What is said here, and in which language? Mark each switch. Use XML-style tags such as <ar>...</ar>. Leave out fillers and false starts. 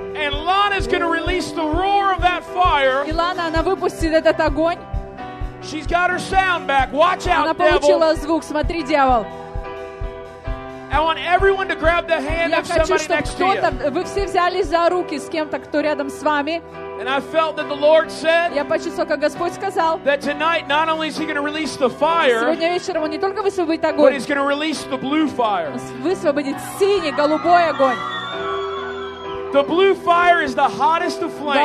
<en>And Lana's gonna release the roar of that fire.</en> <ru>И Лана, она выпустит этот огонь.</ru> <en>She's got her sound back. Watch out, devil.</en> <ru>Она получила звук. Смотри, дьявол.</ru> <en>I want everyone to grab the hand of somebody next to you.</en> <ru>Я хочу, чтобы кто-то, вы все взялись за руки с кем-то, кто рядом с вами.</ru> <en>And I felt that the Lord said.</en> <ru>Я почувствовал, как Господь сказал.</ru> <en>That tonight, not only is He going to release the fire.</en> <ru>Сегодня вечером Он не только высвободит огонь.</ru> <en>But He's going to release the blue fire.</en> <ru>Высвободит синий, голубой огонь.</ru> <en>The blue fire is the hottest of flames.</en>